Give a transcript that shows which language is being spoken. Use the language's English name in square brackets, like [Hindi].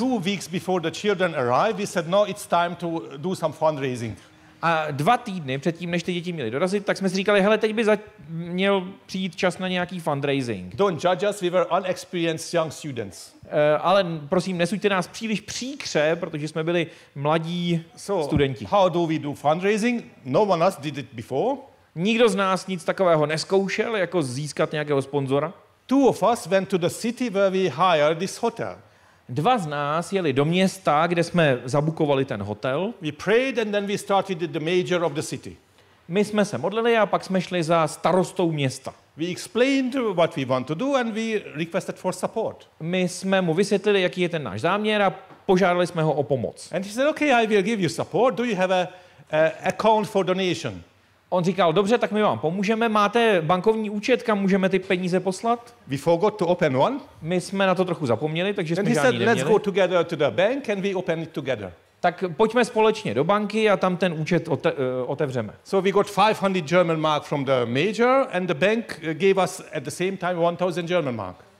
[English] Two weeks before the children arrived, we said, no, it's time to do some fundraising. [Czech] A dva týdny předtím, než ty děti měly dorazit, tak jsme si říkali, hele, teď by měl přijít čas na nějaký fundraising. [English] Don't judge us, we were unexperienced young students. [Czech] Ale prosím, nesuďte nás příliš příkře, protože jsme byli mladí studenti. [English] So, how do we do fundraising? No one else did it before. [Czech] Nikdo z nás nic takového neskoušel, jako získat nějakého sponzora. [English] Two of us went to the city where we hired this hotel. [Czech] Dva z nás jeli do města, kde jsme zabukovali ten hotel. [English] We prayed and then we started the major of the city. [Czech] My jsme se modlili a pak jsme šli za starostou města. [English] We explained what we want to do and we requested for support. [Czech] My jsme mu vysvětlili, jaký je ten náš záměr a požádali jsme ho o pomoc. [English] And he said, okay, I will give you support. Do you have a account for donation? [Czech] On říkal, dobře, tak my vám pomůžeme. Máte bankovní účet, kam můžeme ty peníze poslat? [English] We forgot to open one. [Czech] My jsme na to trochu zapomněli, takže [English] and [Czech] jsme žádný neměli. [English] Let's go together to the bank and we open it together. [Czech] Tak pojďme společně do banky a tam ten účet otevřeme. [English] So we got 500 German mark from the major and the bank gave us at the same time 1000 German mark.